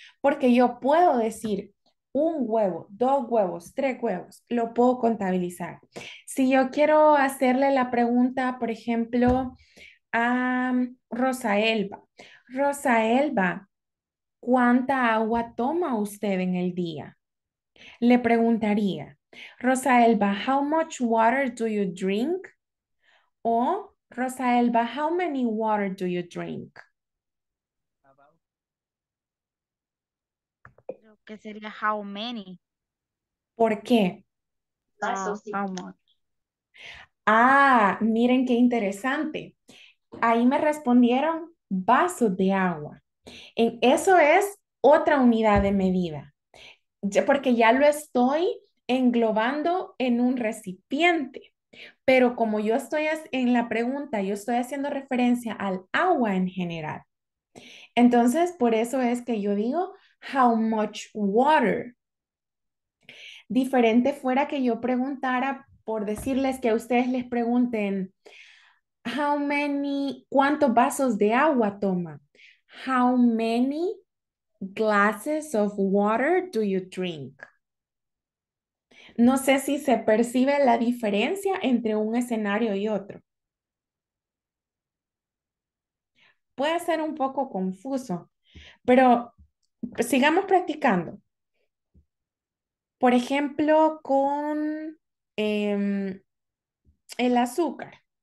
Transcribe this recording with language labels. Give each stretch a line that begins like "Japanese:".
Spanish: Porque yo puedo decir un huevo, dos huevos, tres huevos. Lo puedo contabilizar. Si yo quiero hacerle la pregunta, por ejemplo, a Rosa Elba. Rosa Elba, ¿cuánta agua toma usted en el día? Le preguntaría.
English: Rosa Elba, how much water do you drink? O Rosa Elba, how many water do you drink?
Spanish: Creo que sería
English: how many.
Spanish: ¿Por qué?
English: How much.
Spanish: Ah, miren qué interesante. Ahí me respondieron vasos de agua. Eso es otra unidad de medida. Porque ya lo estoy englobando en un recipiente. Pero como yo estoy en la pregunta, yo estoy haciendo referencia al agua en general. Entonces, por eso es que yo digo,
English: how much water?
Spanish: Diferente fuera que yo preguntara, por decirles que a ustedes les pregunten,
English: how many,
Spanish: ¿cuántos vasos de agua toma?
English: How many glasses of water do you drink?
Spanish: No sé si se percibe la diferencia entre un escenario y otro. Puede ser un poco confuso, pero sigamos practicando. Por ejemplo, con el azúcar.